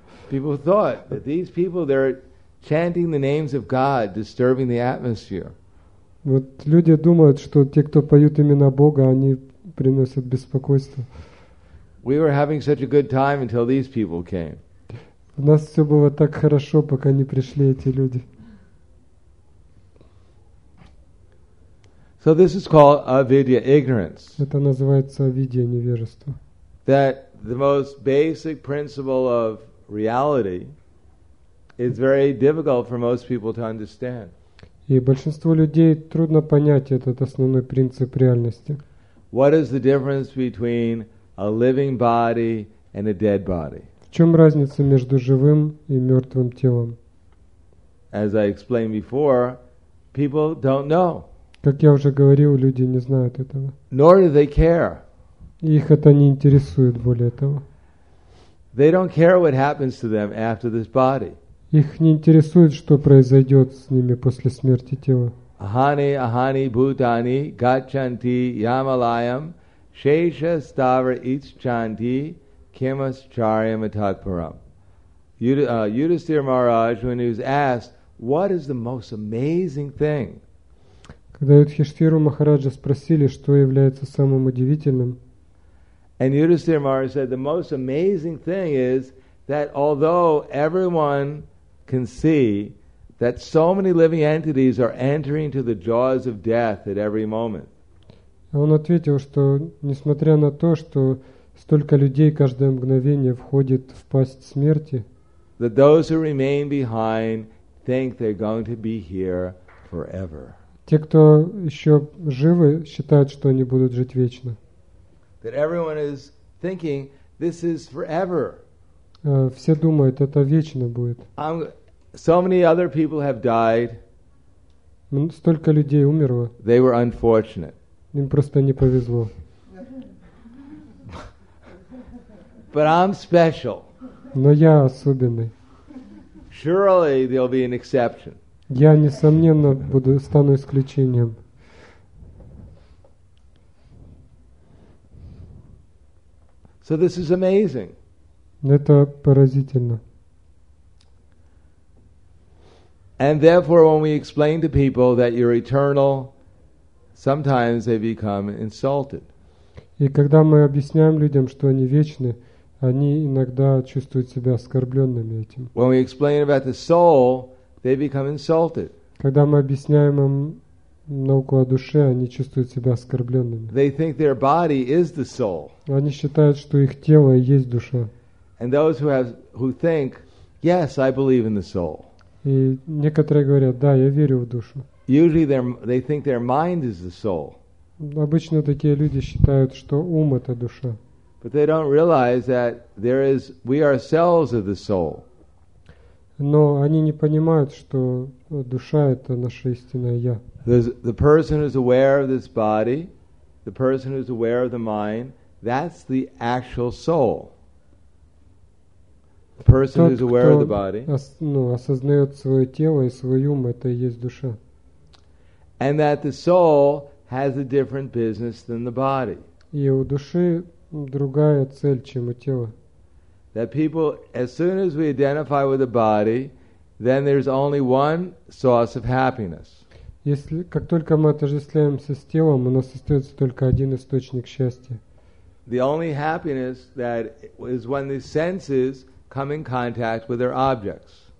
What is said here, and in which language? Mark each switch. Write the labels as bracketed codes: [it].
[en] People thought that these people, they're chanting the names of God, disturbing the atmosphere. [ru] Вот люди думают, что те, кто поют имена Бога, они приносят беспокойство. [en] We were having such a good time until these people came. [ru] У нас все было так хорошо, пока не пришли эти люди. [en] So this is called avidya, ignorance. [ru] Это называется авидья, невежество. [en] That the most basic principle of reality is very difficult for most people to understand. [ru] И большинству людей трудно понять этот основной принцип реальности. [en] What is the difference between a living body and a dead body? [ru] В чем разница между живым и мертвым телом? [en] As I explained before, people don't know. [ru] Как я уже говорил, люди не знают этого. [en] Nor do they care. [ru] Их это не интересует более того. [en] They don't care what happens to them after this body. [ru] Их не интересует, что произойдет с ними после смерти тела. [sa] Ахани, ахани, бутани, гачанти, ямалаям, шеша, ставр, иччанти, кемас, чарьям, атакпарам. [en] Юдистир Махарадж, when he was asked, what is the most amazing thing? [ru] Когда Юдхиштхиру Махараджа спросили, что является самым удивительным, [en] and Юдистир Махарадж said, the most amazing thing is that although everyone can see that so many living entities are entering to the jaws of death at every moment. [ru] Он ответил, что несмотря на то, что столько людей каждое мгновение входит в пасть смерти, [en] that those who remain behind think they're going to be here forever. [ru] Те, кто еще живы, считают, что они будут жить вечно. [en] That everyone is thinking this is forever. [ru] Все думают, это вечно будет. [en] So many other people have died. [ru] Столько людей умерло. [en] They were unfortunate. [ru] Им просто не повезло. [en] But I'm special. [ru] Но я особенный. [en] Surely there'll be an exception. [ru] Я несомненно буду стану исключением. [en] So this is amazing. [ru] Это поразительно. [en] And therefore, when we explain to people that you're eternal, sometimes they become insulted. [ru] И когда мы объясняем людям, что они вечны, они иногда чувствуют себя оскорбленными этим. [en] When we explain about the soul, they become insulted. [ru] Когда мы объясняем им науку о душе, они чувствуют себя оскорбленными. [en] They think their body is the soul. [ru] Они считают, что их тело и есть душа. [en] And those who think, yes, I believe in the soul. [ru] И некоторые говорят, да, я верю в душу. [en] Usually they think their mind is the soul. [ru] Обычно такие люди считают, что ум это душа. [en] But they don't realize that there is we ourselves are the soul. [ru] Но они не понимают, что душа это наше истинное я. [en] The person who is aware of this body, the person who is aware of the mind, that's the actual soul. The person who is aware of the body, [ru] осознает свое тело и свой ум, это и есть душа. [en] And that the soul has a different business than the body. [ru] И у души другая цель, чем у тела. [en] That people, as soon as we identify with the body, then there's only one source of happiness. [ru] Если как только мы отождествляемся с телом, у нас остается только один источник счастья. [en] The only happiness that is when the senses come in contact with their objects.